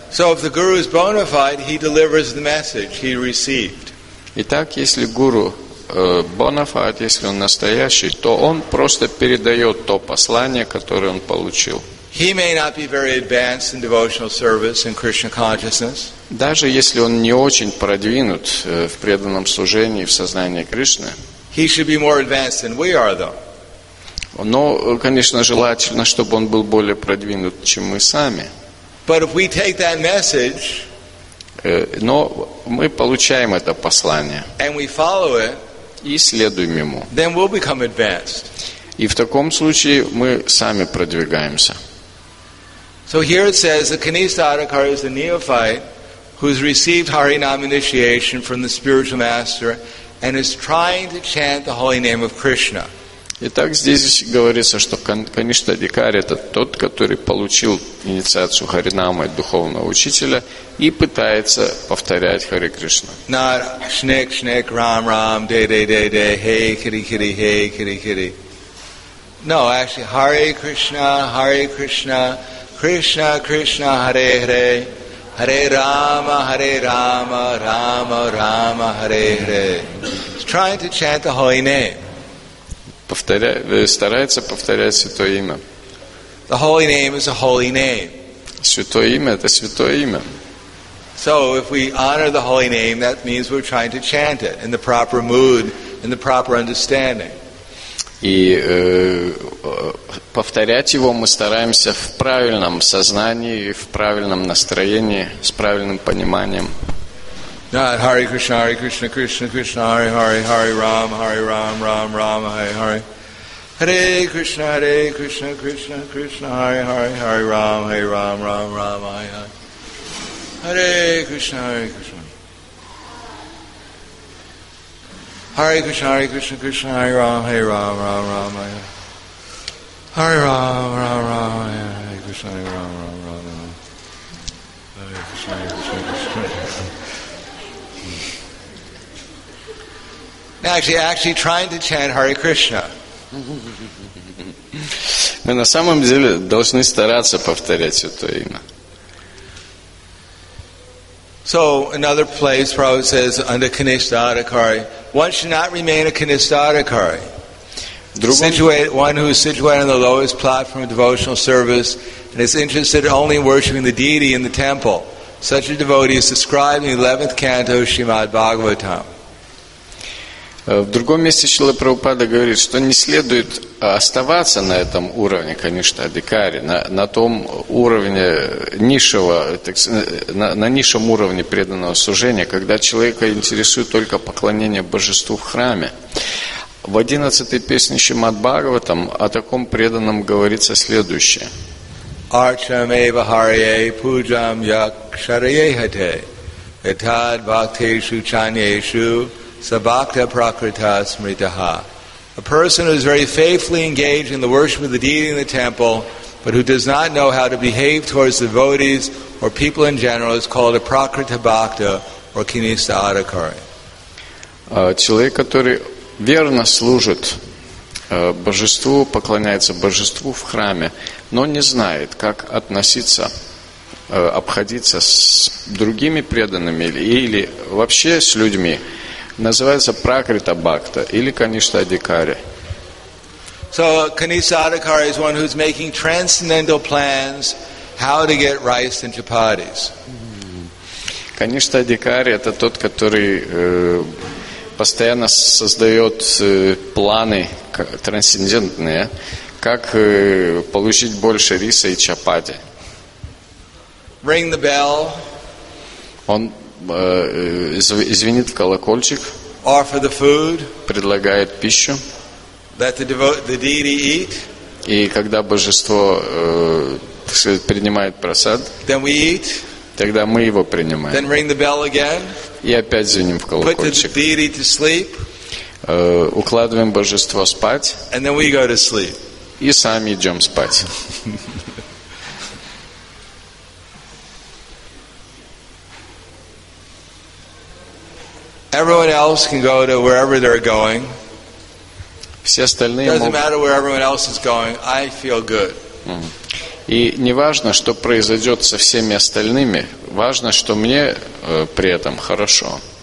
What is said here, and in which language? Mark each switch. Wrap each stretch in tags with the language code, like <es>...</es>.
<en>So if the guru is bona fide, he delivers the message he received.</en> <ru>Итак, если гуру bona fide, если он настоящий, то он просто передает то послание, которое он получил.</ru> <en>He may not be very advanced in devotional service and Krishna consciousness.</en> <ru>Даже если он не очень продвинут в преданном служении, в сознании Кришны.</ru> <en>He should be more advanced than we are, though.</en> <ru>Но, конечно, желательно, чтобы он был более продвинут, чем мы сами.</ru> <en>But if we take that message,</en> <ru>но мы получаем это послание.</ru> <en>And we follow it.</en> <ru>И следуем ему.</ru> <en>Then we'll become advanced.</en> <ru>И в таком случае мы сами продвигаемся.</ru> <en>So here it says the Kanistadakar is the neophyte who's received Harinam initiation from the spiritual master and is trying to chant the holy name of Krishna.</en> <ru>Итак, здесь говорится, что Каништа-адикари – это тот, который получил инициацию Харинама от духовного учителя и пытается повторять Харе Кришна.</ru> <en>Not шнек, шнек, рам, рам, де-де-де-де, хей, кири-кири, хей, кири-кири. No, actually,</en> <sa>Харе Кришна, Харе Кришна, Кришна, Кришна, Харе, Харе, Харе, Рама, Рама, Рама, Харе, Харе.</sa> <en>He's trying to chant the holy name.</en> <ru>Старается повторять святое имя.</ru> <en>The holy name is a holy name.</en> <ru>Святое имя – это святое имя.</ru> <en>So, if we honor the holy name, that means we're trying to chant it in the proper mood, in the proper understanding.</en> <ru>И повторять его мы стараемся в правильном сознании, в правильном настроении, с правильным пониманием.</ru> <en>Not</en> <sa>Hare Krishna, Hare Krishna, Krishna Krishna, Hare Hare, Hare Ram, Hare Ram, Ram Ram, Hare Hare. Hare Krishna, Krishna Krishna, Hare Hare, Hare Ram, Hare Ram, Ram Ram, Hare Hare. Hare Krishna, Hare Krishna. Hare Krishna, Hare Krishna, Krishna Hare Ram, Hare Ram, Ram Ram, Hare Hare. Ram, Ram Ram, Hare Krishna, Hare Ram, Ram Ram, Hare Krishna, Krishna Krishna.</sa> <en>Actually trying to chant Hare Krishna.</en> <ru>Мы на самом деле должны стараться повторять святое имя.</ru> <en>So another place Prabhupada says under Kanishtadakari, one should not remain a Kanishtadakari. Situate one who is situated on the lowest platform of devotional service and is interested only in worshiping the deity in the temple. Such a devotee is described in the 11th canto of Srimad Bhagavatam.</en> <ru>В другом месте Шрила Прабхупада говорит, что не следует оставаться на этом уровне, конечно, адикари, на том уровне низшего, на низшем уровне преданного служения, когда человека интересует только поклонение божеству в храме. В 11-й песне Шримад Бхагаватам о таком преданном говорится следующее.</ru> <sa>Арчам эва харие пуджам якшарие хате этад бхактешу чанешу Sabhakta Prakrita Smritaha.</sa> <en>A person who is very faithfully engaged in the worship of the deity in the temple, but who does not know how to behave towards devotees or people in general is called a Prakrita Bhakta or Kinista Adhikari.</en> <ru>Человек, который верно служит божеству, поклоняется божеству в храме, но не знает, как относиться, обходиться с другими преданными или вообще с людьми, называется Пракрита Бхакта или Каништа Адикари.</ru> <en>So Kanishta Adhikari is one who's making transcendental plans how to get rice and chapatis.</en> <ru>Каништа Адхикари это тот, который постоянно создает планы трансцендентные, как получить больше риса и чапати.</ru> <en>Ring the bell.</en> <ru>Он звенит в колокольчик.</ru> <en>Offer the food.</en> <ru>Предлагает пищу.</ru> <en>Let the devotee, the deity eat.</en> <ru>И когда божество принимает просад,</ru> <en>then we eat.</en> <ru>Тогда мы его принимаем.</ru> <en>Then ring the bell again.</en> <ru>И опять звеним в колокольчик.</ru> <en>Put the deity to sleep.</en> <ru>укладываем божество спать,</ru> <en>and then we go to sleep.</en> <ru>И сами идем спать.</ru> <en>Everyone else can go to wherever they're going.</en> <ru>Все остальные могут...</ru> <en>Doesn't matter where everyone else is going, I feel good.</en> <ru>И не важно, что произойдет со всеми остальными, важно, что мне при этом хорошо.</ru>